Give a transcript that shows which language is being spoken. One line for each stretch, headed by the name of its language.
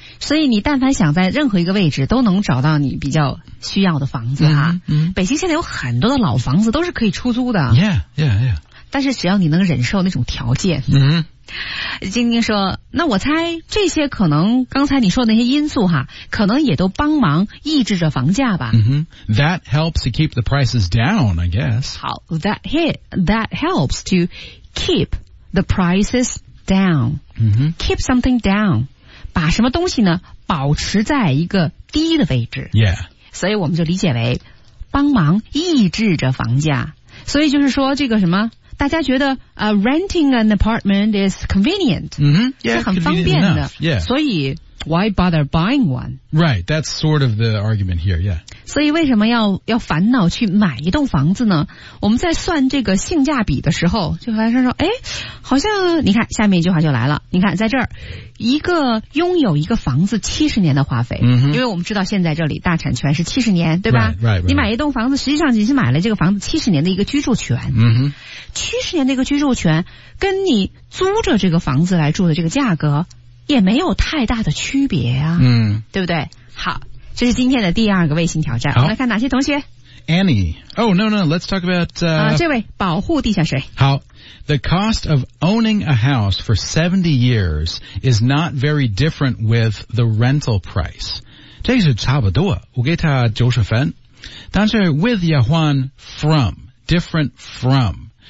Chinese: 所以你但凡想在任何一个位置都能找到你比较需要的房子哈。 Mm-hmm. 北京现在有很多的老房子都是可以出租的
English: yeah, yeah, yeah.
Chinese: 但是只要你能忍受那种条件、 mm-hmm. 晶晶说那我猜这些可能刚才你说的那些因素哈，可能也都帮忙抑制着房价吧。 Mm-hmm.
English: That helps to keep the prices down, I guess. 好 that helps to keep the prices down.、 Mm-hmm. Keep something down.
Chinese: 把什么东西呢保持在一个低的位置。
English: Yeah.
Chinese: 所以我们就理解为帮忙抑制着房价。所以就是说这个什么大家觉得、 renting an apartment is convenient,、
English: mm-hmm. yeah,
Chinese: 是很方便的、
English: yeah. 所以 why bother buying one? Right, that's sort of the argument here, yeah.
Chinese: 所以为什么 要烦恼去买一栋房子呢我们在算这个性价比的时候就发现说诶好像你看下面一句话就来了你看在这儿一个拥有一个房子70年的花费、 mm-hmm. 因为我们知道现在这里大产权是70年对吧
English: right, right, right,
Chinese: 你买一栋房子实际上你是买了这个房子70年的一个居住权、 mm-hmm. 70年的一个居住权跟你租着这个房子来住的这个价格也没有太大的区别啊、 mm-hmm. 对不对好这是今天的第二个卫星挑战我们来看哪些同学
English: Annie Oh no no let's talk about、
Chinese: 这位保护地下水
English: 好The cost of owning a house for 70 years is not very different with the rental price.
Chinese: 这是差不多，我给他90分。但是 with 要换 from, different from.